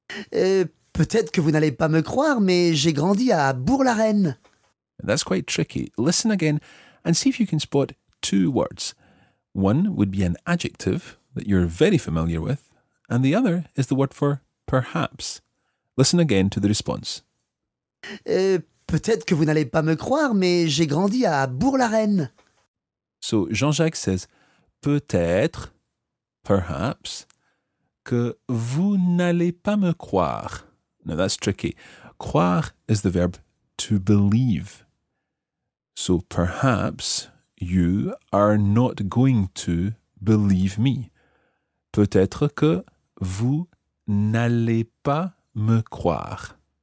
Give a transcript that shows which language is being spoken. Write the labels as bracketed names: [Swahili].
[French] Peut-être que vous n'allez pas me croire, mais j'ai grandi à Bourg-la-Reine. [English] That's quite tricky. Listen again and see if you can spot two words. One would be an adjective that you're very familiar with, and the other is the word for perhaps. Listen again to the response. [French] Peut-être que vous n'allez pas me croire, mais j'ai grandi à Bourg-la-Reine. [English] So Jean-Jacques says, [French] peut-être, [English] perhaps, [French] que vous n'allez pas me croire. [English] Now that's tricky. Croire is the verb to believe. So perhaps you are not going to believe me. [French] Peut-être que vous n'allez pas me croire.